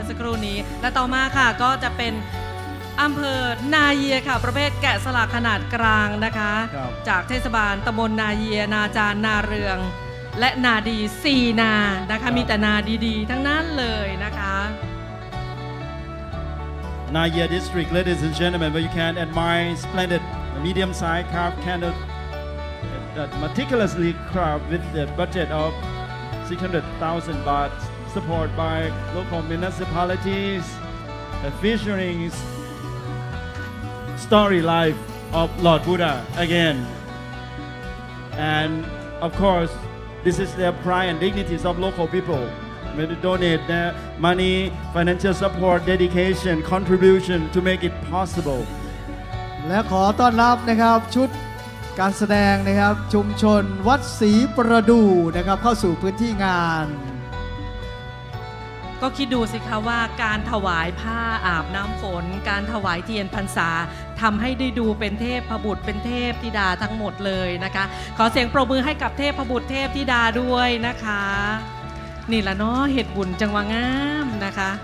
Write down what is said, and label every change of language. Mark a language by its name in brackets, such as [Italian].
[Thai] สักครู่นี้และต่อมาค่ะก็จะเป็นอำเภอนาเยียค่ะประเภทแกะสลักขนาดกลางนะคะจากเทศบาลตำบลนาเยียนาจานนาเรืองและนาดี4นานะคะมีแต่นาดีๆทั้งนั้นเลยนะคะ [English] Naya District, ladies and gentlemen, where you can admire splendid medium-sized carved candles that meticulously carved with a budget of 600,000 baht, supported by local municipalities, featuring story life of Lord Buddha again. And of course, this is their pride and dignity of local people. When they donate their money, financial support, dedication, contribution to make it possible. [Thai] และขอต้อนรับนะครับชุดการแสดงนะครับชุมชนวัดศรีประดูนะครับเข้าสู่พื้นที่งาน ก็คิดดูสิคะว่าการถวายผ้าอาบน้ำฝนการถวายเทียนพรรษาทำให้ได้ดูเป็นเทพบุตรเป็นเทพธิดาทั้งหมดเลยนะคะขอเสียงปรบมือให้กับเทพบุตรเทพธิดาด้วยนะคะนี่แหละเนาะเหตุบุญจังหวะงามนะคะ